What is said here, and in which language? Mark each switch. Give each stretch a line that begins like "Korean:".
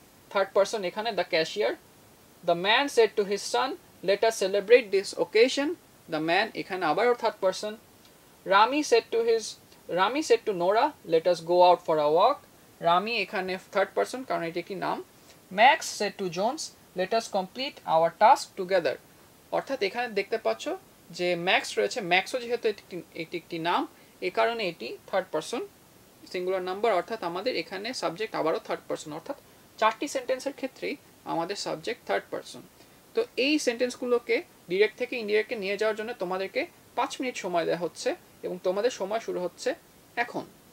English: third person
Bangla: এখানে
English: The cashier. The man said to his son, let us celebrate this occasion. The man
Bangla: এখানে আবারও
English: Third person. Rami said to Nora, let us go out for a walk.
Bangla: Rummy এখানে third person, কারণ এটি একটি নাম।
English: Max said to Jones, let us complete our task together.
Bangla: অর্থাৎ এখানে দেখতে পাচ্ছ যে ম্যাক্স রয়েছে, ম্যাক্সও যেহেতু এটি একটি নাম, এ কারণে এটি থার্ড পারসন সিঙ্গুলার নাম্বার। অর্থাৎ আমাদের এখানে সাবজেক্ট আবারও থার্ড পারসন, অর্থাৎ চারটি সেন্টেন্সের ক্ষেত্রেই আমাদের সাবজেক্ট থার্ড পারসন। তো এই সেন্টেন্সগুলোকে ডিরেক্ট থেকে ইনডিরেক্টে নিয়ে যাওয়ার জন্য তোমাদেরকে 5 মিনিট সময় দেওয়া হচ্ছে এবং তোমাদের সময় শুরু হচ্ছে এখন।